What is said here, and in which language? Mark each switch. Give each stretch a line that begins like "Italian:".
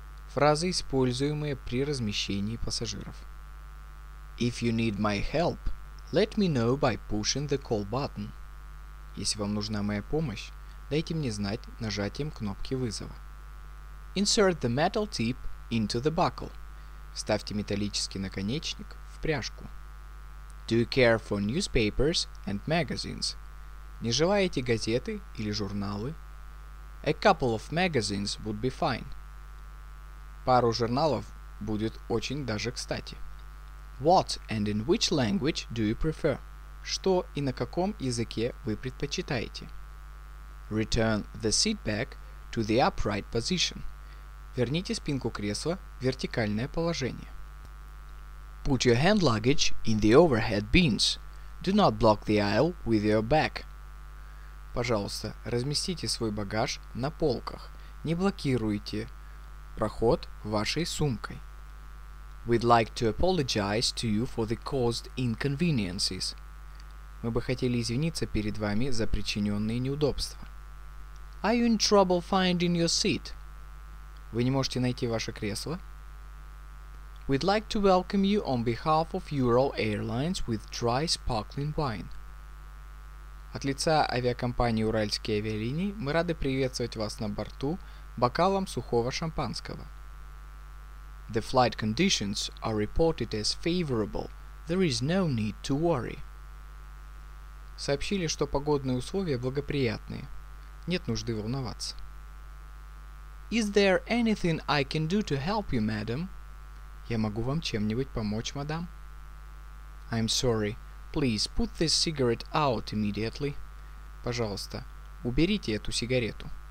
Russian: Фразы, используемые при размещении пассажиров.
English: If you need my help, let me know by pushing the call button.
Russian: Если вам нужна моя помощь, дайте мне знать нажатием кнопки вызова.
English: Insert the metal tip into the buckle.
Russian: Вставьте металлический наконечник в пряжку.
English: Do you care for newspapers and magazines?
Russian: Не желаете газеты или журналы?
English: A couple of magazines would be fine.
Russian: Пару журналов будет очень даже кстати.
English: What and in which language do you prefer?
Russian: Что и на каком языке вы предпочитаете?
English: Return the seat back to the upright position.
Russian: Верните спинку кресла в вертикальное положение.
English: Put your hand luggage in the overhead bins. Do not block the aisle with your bag.
Russian: Пожалуйста, разместите свой багаж на полках. Не блокируйте проход вашей сумкой.
English: We'd like to apologize to you for the caused inconveniences.
Russian: Мы бы хотели извиниться перед вами за причиненные неудобства.
English: Are you in trouble finding your seat?
Russian: Вы не можете найти ваше кресло?
English: We'd like to welcome you on behalf of Ural Airlines with dry sparkling wine.
Russian: От лица авиакомпании Уральские авиалинии мы рады приветствовать вас на борту бокалом сухого шампанского.
English: The flight conditions are reported as favorable. There is no need to worry.
Russian: Сообщили, что погодные условия благоприятные. Нет нужды волноваться.
English: Is there anything I can do to help you, madam?
Russian: Я могу вам чем-нибудь помочь, мадам?
English: I'm sorry. Please put this cigarette out immediately.
Russian: Пожалуйста, уберите эту сигарету.